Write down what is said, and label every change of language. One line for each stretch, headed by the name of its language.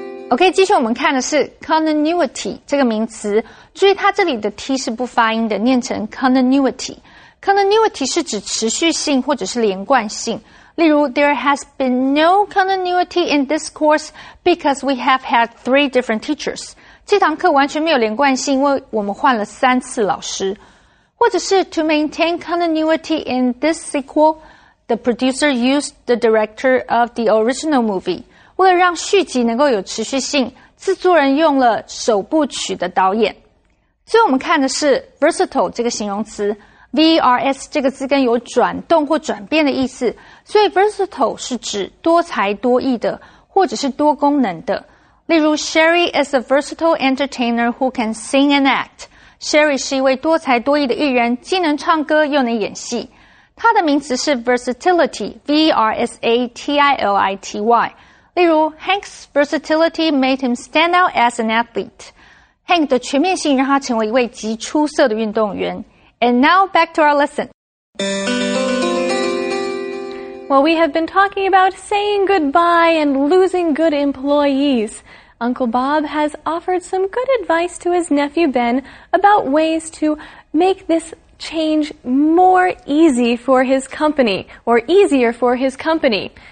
English: OK,
Chinese: 继续我们看的是 continuity 这个名词。注意它这里的 T 是不发音的，念成 continuity。 Continuity 是指持续性或者是连贯性。例如
English: ,there has been no continuity in this course because we have had three different teachers.
Chinese: 这堂课完全没有连贯性因为我们换了三次老师。或者是
English: to maintain continuity in this sequel, the producer used the director of the original movie.
Chinese: 为了让续集能够有持续性制作人用了首部曲的导演。最后我们看的是 versatile 这个形容词。VRS 这个字根有转动或转变的意思，所以 versatile 是指多才多艺的或者是多功能的。例如
English: Sherry is a versatile entertainer who can sing and act.
Chinese: Sherry 是一位多才多艺的艺人，既能唱歌又能演戏。它的名词是 versatility, V-R-S-A-T-I-L-I-T-Y。例如
English: Hank's versatility made him stand out as an athlete.
Chinese: Hank 的全面性让他成为一位极出色的运动员。
English: And now, back to our lesson. Well, we have been talking about saying goodbye and losing good employees. Uncle Bob has offered some good advice to his nephew Ben about ways to make this change more easy for his company, or easier for his company.